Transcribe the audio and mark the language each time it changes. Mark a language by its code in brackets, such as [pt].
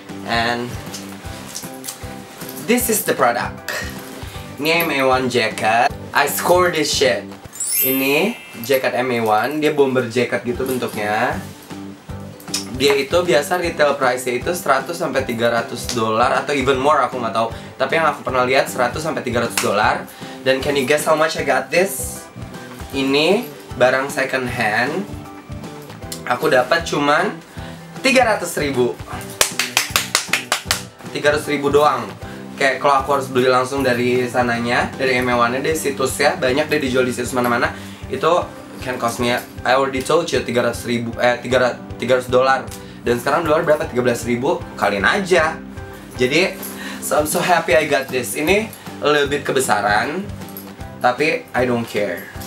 [en] And this is the product. [id] Ini MA1 jacket. [en] I score this shit. [id] Ini jacket MA1, dia bomber jacket gitu bentuknya. Dia itu biasa retail price-nya itu 100-300 dollar atau [en] even more, [id] aku nggak tahu. Tapi yang aku pernah lihat 100-300 dollar. [en] Dan can you guess how much I got this? [id] Ini barang second hand. Aku dapat cuman 300 ribu. 300 ribu doang. Kayak kalau aku harus beli langsung dari sananya, dari MA1-nya, dari situsnya, banyak deh dijual di situs mana-mana. Itu [en] can cost me, I already told you, [id] 300 dollar. Dan sekarang dolar berapa? 13 ribu. Kalian aja. [en] Jadi, so I'm so happy I got this. [id] Ini [en] a little bit [id] kebesaran, tapi [en] I don't care.